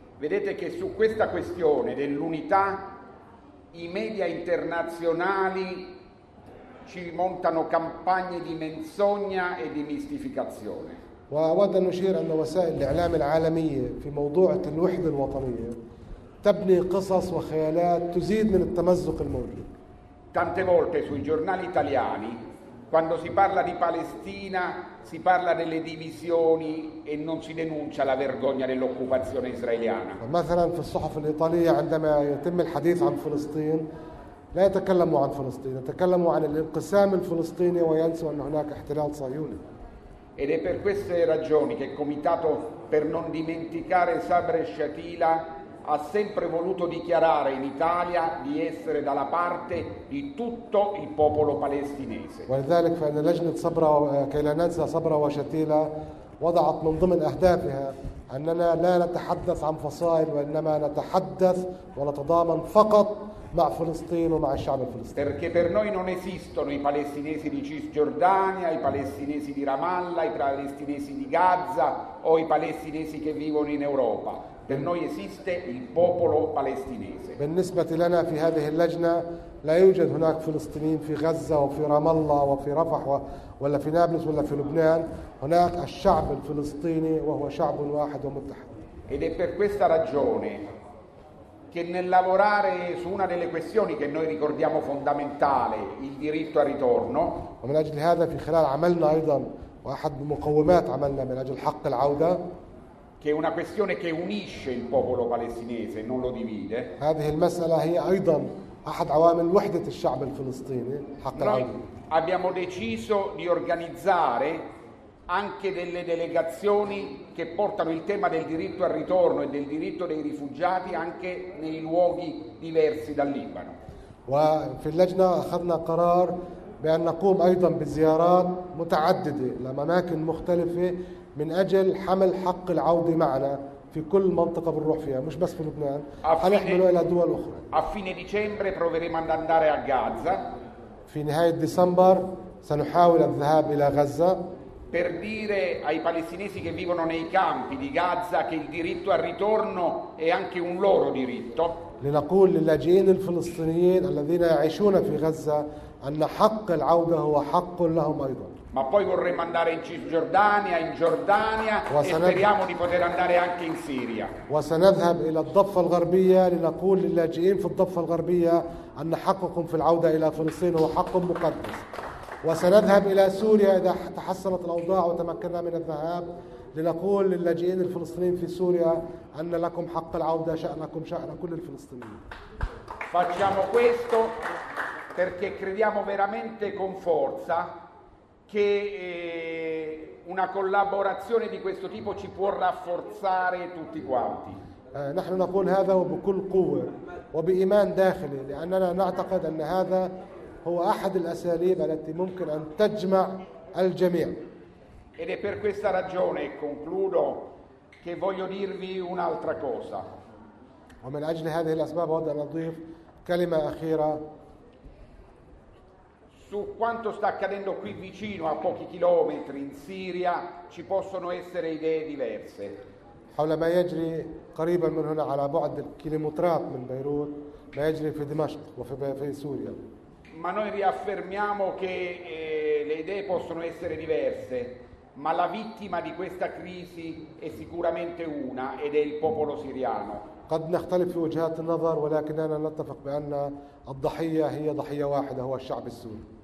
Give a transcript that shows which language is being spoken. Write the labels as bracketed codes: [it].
[it] Vedete che su questa questione dell'unità i media internazionali ci montano campagne di menzogna e di mistificazione. [ar] وأود أن أشير أن وسائل الإعلام العالمية في موضوع الوحدة الوطنية تبني قصص وخيالات تزيد من التمزق الموجود. [it] Tante volte sui giornali italiani quando si parla di Palestina si parla delle divisioni e non si denuncia la vergogna dell'occupazione israeliana. [ar] مثلا في الصحف الإيطالية عندما يتم الحديث عن فلسطين لا يتكلموا عن فلسطين يتكلموا عن الانقسام الفلسطيني وينسوا أن هناك احتلال صهيوني. [it] Ed è per queste ragioni che il Comitato per non dimenticare Sabra e Shatila ha sempre voluto dichiarare in Italia di essere dalla parte di tutto il popolo palestinese. [ar] ولذلك فإن لجنة صبرا كي لا ننسى صبرا وشتيلة وضعت من ضمن أهدافها أننا لا نتحدث عن فصائل وإنما نتحدث ونتضامن فقط مع فلسطين ومع الشعب الفلسطيني. [it] Perché per noi non esistono i palestinesi di Cisgiordania, i palestinesi di Ramallah, i palestinesi di Gaza o i palestinesi che vivono in Europa. Per noi esiste il popolo palestinese. [ar] بالنسبة لنا في هذه اللجنة لا يوجد هناك فلسطينيين في غزة وفي رام الله وفي رفح ولا في نابلس ولا في لبنان. هناك الشعب الفلسطيني وهو شعب واحد ومتحد. [it] Ed è per questa ragione che nel lavorare su una delle questioni che noi ricordiamo fondamentale, il diritto al ritorno. [ar] ومن أجل هذا في خلال عملنا أيضا واحد مقومات عملنا من أجل حق العودة. [it] Che è una questione che unisce il popolo palestinese, non lo divide. [ar] هذه المسألة هي أيضا أحد عوامل وحدة الشعب الفلسطيني حق العودة. [it] Abbiamo deciso di organizzare anche delle delegazioni che portano il tema del diritto al ritorno e del diritto dei rifugiati anche nei luoghi diversi dal Libano. [ar] وفي اللجنة أخذنا قرار بأن نقوم أيضا بزيارات متعددة لأماكن مختلفة من أجل حمل حق العودة معنا في كل منطقة بنروح فيها مش بس في لبنان هنحمله إلى دول أخرى. [it] A fine dicembre proveremo ad andare a Gaza. [ar] في نهاية ديسمبر سنحاول الذهاب إلى غزة. [it] Per dire ai palestinesi che vivono nei campi di Gaza che il diritto al ritorno è anche un loro diritto. [ar] لنقول للاجئين الفلسطينيين الذين يعيشون في غزة أن حق العودة هو حق لهم أيضا. [it] Ma poi vorremmo andare in Cisgiordania, in Giordania e speriamo di poter andare anche in Siria. [ar] وسنذهب إلى الضفة الغربية لنقول للاجئين في الضفة الغربية أن حقكم في العودة إلى فلسطين هو حق مقدس. وسنذهب إلى سوريا إذا تحسنت الأوضاع وتمكننا من الذهاب لنقول للاجئين الفلسطينيين في سوريا أن لكم حق العودة شأنكم شأن كل الفلسطينيين. [it] Facciamo questo perché crediamo veramente con forza che una collaborazione di questo tipo ci può rafforzare tutti quanti. [ar] نحن نقول هذا وبكل قوة وبإيمان داخلي لأننا نعتقد أن هذا هو أحد الأساليب التي ممكن أن تجمع الجميع. [it] Ed è per questa ragione, concludo, che voglio dirvi un'altra cosa. [ar] ومن أجل هذه الأسباب أود أن أضيف كلمة أخيرة. [it] Su quanto sta accadendo qui vicino, a pochi chilometri in Siria, ci possono essere idee diverse. [ar] حول ما يجري قريبا من هنا على بعد الكيلومترات من بيروت ما يجري في دمشق وفي سوريا. [it] Ma noi riaffermiamo che le idee possono essere diverse, ma la vittima di questa crisi è sicuramente una ed è il popolo siriano. [ar] قد نختلف في وجهات النظر ولكننا نتفق بأن الضحية هي ضحية واحدة هو الشعب السوري.